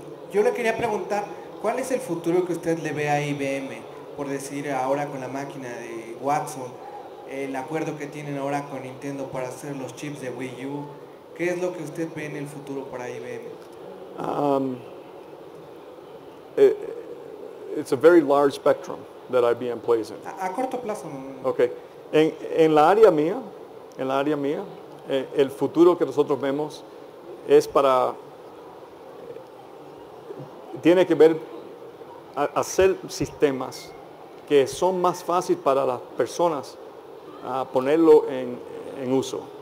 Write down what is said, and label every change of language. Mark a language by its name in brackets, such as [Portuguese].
[Spanish] Yo le quería preguntar, ¿cuál es el futuro que usted le ve a IBM? Por decir, ahora con la máquina de Watson, el acuerdo que tienen ahora con Nintendo para hacer los chips de Wii U, ¿qué es lo que usted ve en el futuro para IBM? [English] it's a very large spectrum that IBM plays in. [Spanish] A corto plazo. [English] Okay. [Spanish] En la área mía, en la área mía, el futuro que nosotros vemos es para, tiene que ver hacer sistemas que son más fáciles para las personas a ponerlo en uso.